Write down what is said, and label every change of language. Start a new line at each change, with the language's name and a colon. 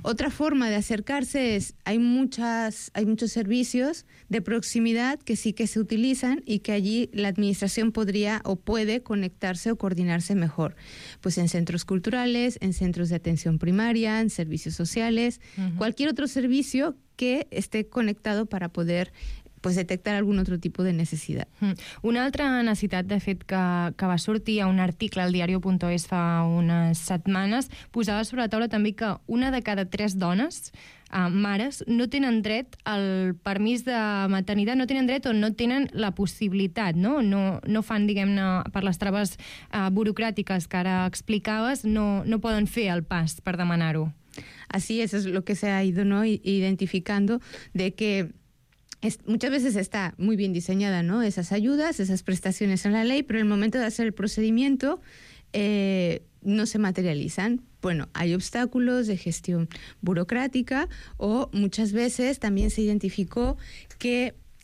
Spanish: Otra forma de acercarse es, hay muchos servicios de proximidad que sí que se utilizan y que allí la administración podría o puede conectarse o coordinarse mejor. Pues en centros culturales, en centros de atención primaria, en servicios sociales, cualquier otro servicio que esté conectado para poder pues detectar
Catalan: algun altre tipus de necessitat. Una altra necessitat, de fet, que va sortir a un article al diario.es fa unes setmanes, posava sobre la taula també que una de cada tres dones, mares, no tenen dret al permís de maternitat, no tenen dret o no tenen la possibilitat, no? No fan, diguem-ne, per les traves burocràtiques que ara explicaves, no poden fer el pas per demanar-ho.
Spanish: Así es, es lo que se ha ido identificando, de que muchas veces está muy bien diseñada, ¿no? Esas ayudas, esas prestaciones en la ley, pero en el momento de hacer el procedimiento no se materializan. Bueno, hay obstáculos de gestión burocrática o muchas veces también se identificó que